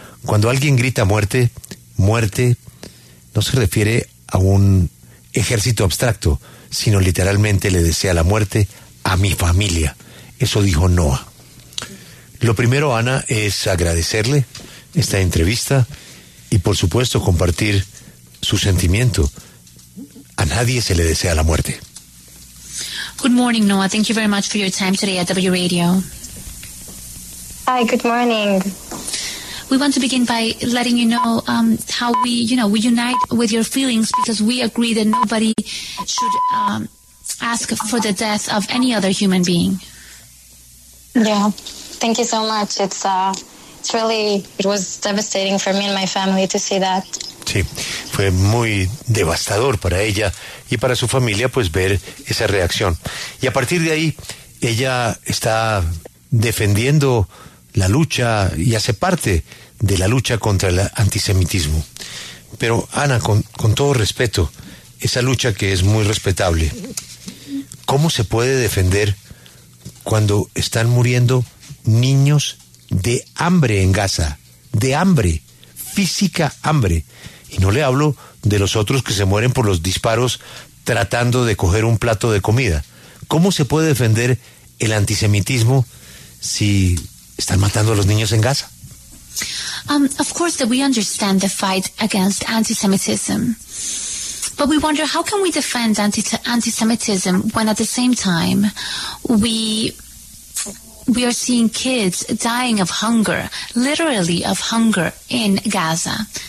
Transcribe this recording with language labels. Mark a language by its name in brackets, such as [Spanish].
[Spanish] Cuando alguien grita muerte, muerte, no se refiere a un ejército abstracto, sino literalmente le desea la muerte a mi familia. Eso dijo Noa. Lo primero, Ana, es agradecerle esta entrevista y, por supuesto, compartir su sentimiento. A nadie se le desea la muerte. [English] Good morning, Noa. Thank you very much for your time today at W Radio. Hi, good morning. We want to begin by letting you know how we, you know, we unite with your feelings because we agree that nobody should ask for the death of any other human being. Yeah, thank you so much. It was devastating for me and my family to see that. [Spanish] Sí, fue muy devastador para ella y para su familia, pues, ver esa reacción. Y a partir de ahí, ella está defendiendo la lucha y hace parte de la lucha contra el antisemitismo. Pero, Ana, con todo respeto, esa lucha que es muy respetable, ¿cómo se puede defender cuando están muriendo niños de hambre en Gaza? De hambre, física hambre. Y no le hablo de los otros que se mueren por los disparos tratando de coger un plato de comida. ¿Cómo se puede defender el antisemitismo si están matando a los niños en Gaza? [English] Of course that we understand the fight against antisemitism. But we wonder, how can we defend anti-Semitism when at the same time we are seeing kids dying of hunger, literally of hunger, in Gaza?